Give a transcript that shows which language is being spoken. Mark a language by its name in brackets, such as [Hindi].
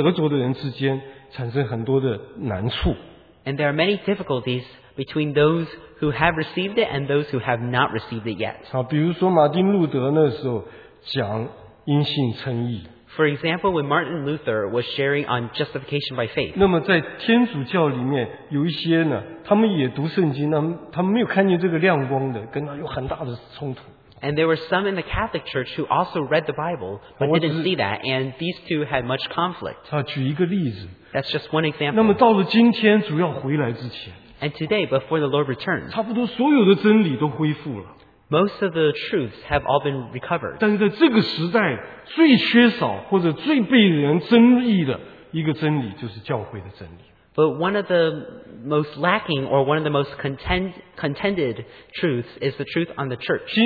[Chinese] 并且呢，也在那些还没有得着的人和得着的人之间产生很多的难处。 [English] And there are many difficulties between those who have received it and those who have not received it yet. [Chinese] 比如说马丁路德那时候讲因信称义。 [English] For example, when Martin Luther was sharing on justification by faith. [Chinese] 那么在天主教里面有一些呢，他们也读圣经，他们没有看见这个亮光的，跟他有很大的冲突。 [English] And there were some in the Catholic Church who also read the Bible but didn't see that, and these two had much conflict. [Chinese] 举一个例子。 [English] That's just one example. [Chinese] 那么到了今天主要回来之前， [English] and today, before the Lord returns, [Chinese] 差不多所有的真理都恢复了。 [English] Most of the truths have all been recovered. [Chinese] 但是在这个时代最缺少或者最被人争议的一个真理就是教会的真理。 [English] But one of the most lacking or one of the most contended truths is the truth on the church.